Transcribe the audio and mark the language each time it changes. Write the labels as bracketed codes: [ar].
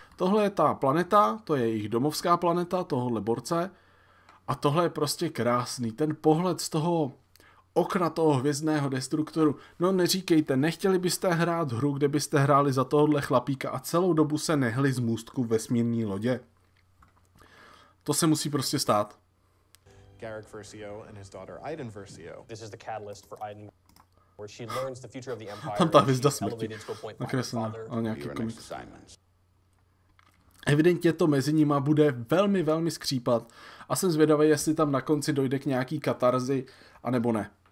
[cs] Tohle je ta planeta, to je jejich domovská planeta, tohle borce, a tohle je prostě krásný, ten pohled z toho okna toho hvězdného destruktoru. No neříkejte, nechtěli byste hrát hru, kde byste hráli za tohle chlapíka a celou dobu se nehli z můstku vesmírní lodě. To se musí prostě stát. [en] Garrick Versio and his daughter Aiden Versio. This is the catalyst for Aiden, where she learns the future of the empire. [cs] Tam ta hvězda smrti. Nakreslená. Ale nějaký komik. Evidentně to mezi nima bude velmi, velmi skřípat. A jsem zvědavý, jestli tam na konci dojde k nějaký katarzi, anebo ne.